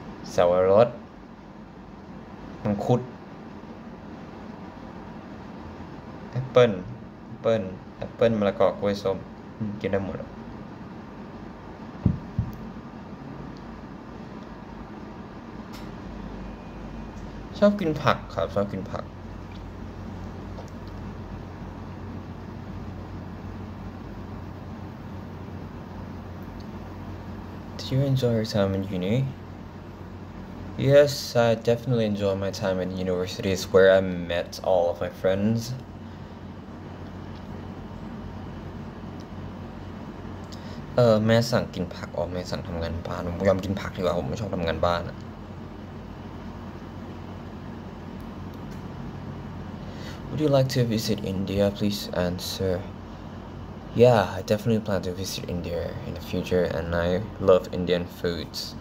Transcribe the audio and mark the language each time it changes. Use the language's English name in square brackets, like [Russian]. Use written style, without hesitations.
[Thai] เสาวรสมังคุดแอปเปิ้ลมะละกอกล้วยส้มกินได้หมดชอบกินผักครับชอบกินผัก [English] Do you enjoy your time in uni? Yes, I definitely enjoy my time in university. It's where I met all of my friends. [Thai] แม่สั่งกินผักอ๋อแม่สั่งทำงานบ้านผมยอมกินผักดีกว่าผมไม่ชอบทำงานบ้านอ่ะ [English] Would you like to visit India? Please answer. Yeah, I definitely plan to visit India in the future, and I love Indian foods.